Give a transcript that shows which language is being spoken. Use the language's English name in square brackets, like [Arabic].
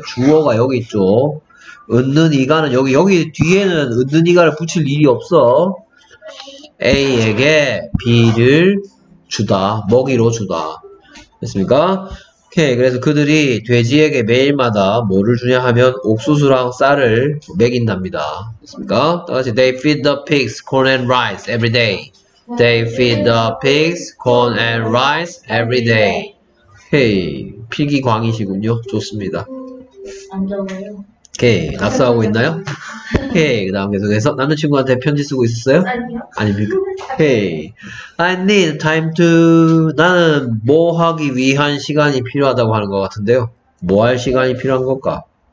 [Korean] 주어가 여기 있죠. 은는 이가는 여기 뒤에는 은는 이가를 붙일 일이 없어. A에게 B를 주다. 먹이로 주다. 됐습니까? 오케이. 그래서 그들이 돼지에게 매일마다 뭐를 주냐 하면 옥수수랑 쌀을 먹인답니다. 됐습니까? [English] 다시 they feed the pigs corn and rice every day. They feed the pigs corn and rice every day. [Korean] 헤이, 피기 광이시군요. 좋습니다. 오케이, 낙서하고 있나요? 오케이, 그 다음 계속해서 남자친구한테 편지 쓰고 있었어요? 아니요. 아닙니까? 헤이, [English] I need time to... [Korean] 나는 뭐 하기 위한 시간이 필요하다고 하는 것 같은데요. 뭐 할 시간이 필요한 걸까?